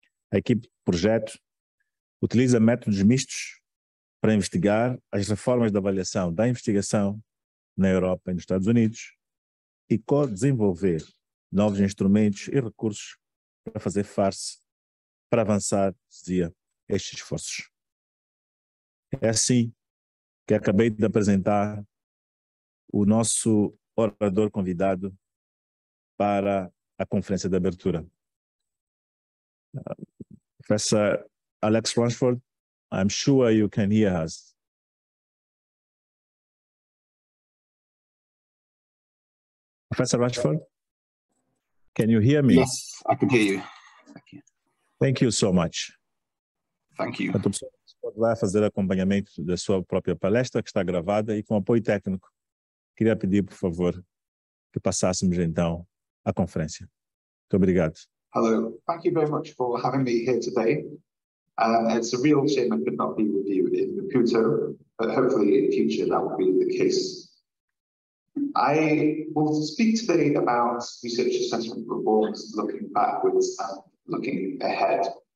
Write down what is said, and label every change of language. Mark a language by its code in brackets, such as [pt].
[pt] A equipe do projeto utiliza métodos mistos para investigar as reformas de avaliação da investigação na Europa e nos Estados Unidos e co-desenvolver novos instrumentos e recursos para fazer face, para avançar, dizia, estes esforços. É assim que acabei de apresentar o nosso orador convidado para a conferência de abertura. [en] Professor Alex Rushforth, I'm sure you can hear us. Professor Rushforth, can you hear me? Yes, I can hear you. Thank you so much. Thank you. [pt] Quanto pessoal vai fazer acompanhamento da sua própria palestra, que está gravada, e com apoio técnico, queria pedir, por favor, que passássemos então à conferência. Muito obrigado. [en] Hello, thank you very much for having me here today. It's a real shame I could not be with you in Maputo, but hopefully in future that will be the case. I will speak today about research assessment reforms, looking backwards and looking ahead.